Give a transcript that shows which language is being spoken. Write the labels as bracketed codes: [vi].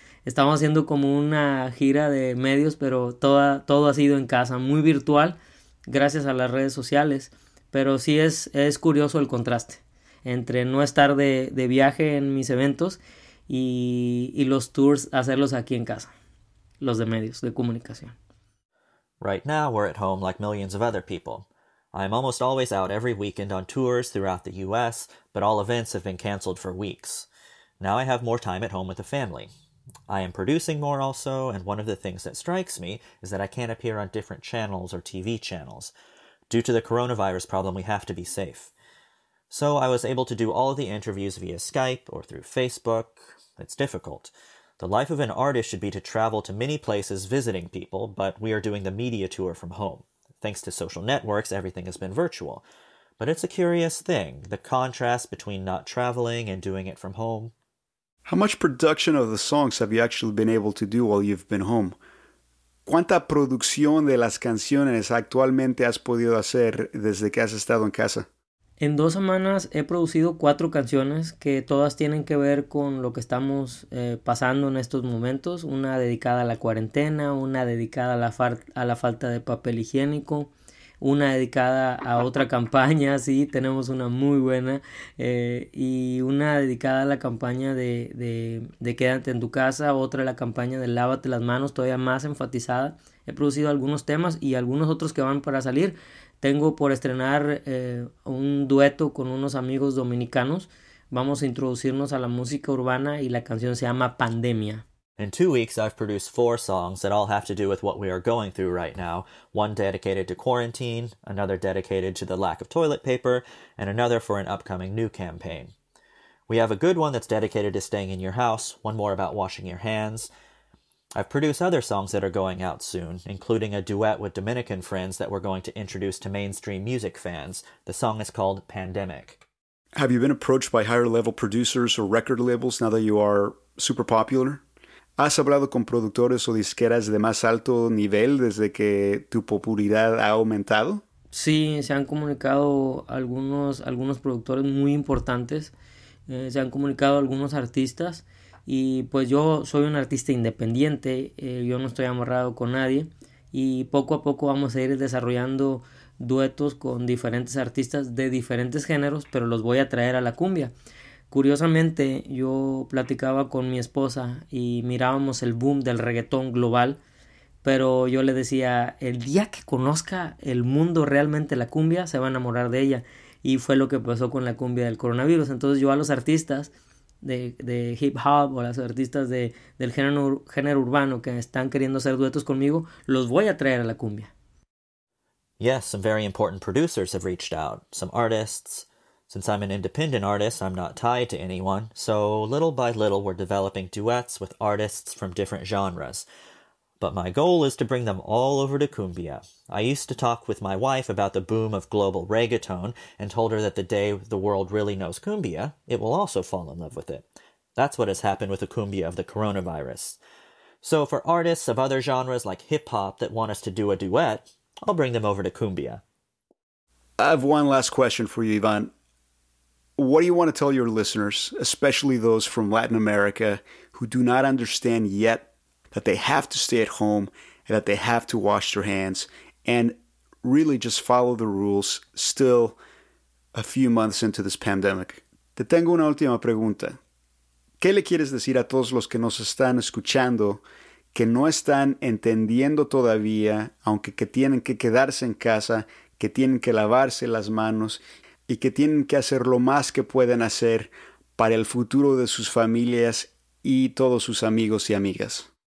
[es] Estamos haciendo como una gira de medios, pero todo ha sido en casa, muy virtual, gracias a las redes sociales. Pero sí es curioso el contraste entre no estar de viaje en mis eventos y los tours, hacerlos aquí en casa, los de medios de comunicación. [en] Right now, we're at home like millions of other people. I'm almost always out every weekend on tours throughout the U.S., but all events have been canceled for weeks. Now I have more time at home with the family. I am producing more also, and one of the things that strikes me is that I can't appear on different channels or TV channels. Due to the coronavirus problem, we have to be safe. So I was able to do all of the interviews via Skype or through Facebook. It's difficult. The life of an artist should be to travel to many places visiting people, but we are doing the media tour from home. Thanks to social networks, everything has been virtual. But it's a curious thing, the contrast between not traveling and doing it from home. How much production of the songs have you actually been able to do while you've been home? [es] ¿Cuánta producción de las canciones actualmente has podido hacer desde que has estado en casa? En dos semanas he producido cuatro canciones que todas tienen que ver con lo que estamos pasando en estos momentos. Una dedicada a la cuarentena, una dedicada a la falta de papel higiénico, una dedicada a otra campaña, sí, tenemos una muy buena, y una dedicada a la campaña de quédate en tu casa, otra a la campaña de lávate las manos, todavía más enfatizada. He producido algunos temas y algunos otros que van para salir. Tengo por estrenar un dueto con unos amigos dominicanos. Vamos a introducirnos a la música urbana y la canción se llama Pandemia. [en] In 2 weeks, I've produced 4 songs that all have to do with what we are going through right now. One dedicated to quarantine, another dedicated to the lack of toilet paper, and another for an upcoming new campaign. We have a good one that's dedicated to staying in your house, one more about washing your hands. I've produced other songs that are going out soon, including a duet with Dominican friends that we're going to introduce to mainstream music fans. The song is called Pandemic. Have you been approached by higher level producers or record labels now that you are super popular? [es] ¿Has hablado con productores o disqueras de más alto nivel desde que tu popularidad ha aumentado? Sí, se han comunicado algunos productores muy importantes. Se han comunicado algunos artistas. Y pues yo soy un artista independiente, yo no estoy amarrado con nadie y poco a poco vamos a ir desarrollando duetos con diferentes artistas de diferentes géneros, pero los voy a traer a la cumbia. Curiosamente, yo platicaba con mi esposa y mirábamos el boom del reggaetón global, pero yo le decía, el día que conozca el mundo realmente la cumbia, se va a enamorar de ella. Y fue lo que pasó con la cumbia del coronavirus. Entonces yo a los artistas de hip hop o las artistas del género urbano que están queriendo hacer duetos conmigo, los voy a traer a la cumbia. [en] Yes, some very important producers have reached out, some artists. Since I'm an independent artist, I'm not tied to anyone, so little by little we're developing duets with artists from different genres. But my goal is to bring them all over to Cumbia. I used to talk with my wife about the boom of global reggaeton and told her that the day the world really knows Cumbia, it will also fall in love with it. That's what has happened with the Cumbia of the coronavirus. So for artists of other genres like hip-hop that want us to do a duet, I'll bring them over to Cumbia. I have one last question for you, Ivan. What do you want to tell your listeners, especially those from Latin America, who do not understand yet that they have to stay at home and that they have to wash their hands and really just follow the rules still a few months into this pandemic? [es] Te tengo una última pregunta. ¿Qué le quieres decir a todos los que nos están escuchando que no están entendiendo todavía, aunque que tienen que quedarse en casa, que tienen que lavarse las manos y que tienen que hacer lo más que pueden hacer para el futuro de sus familias y todos sus amigos y amigas?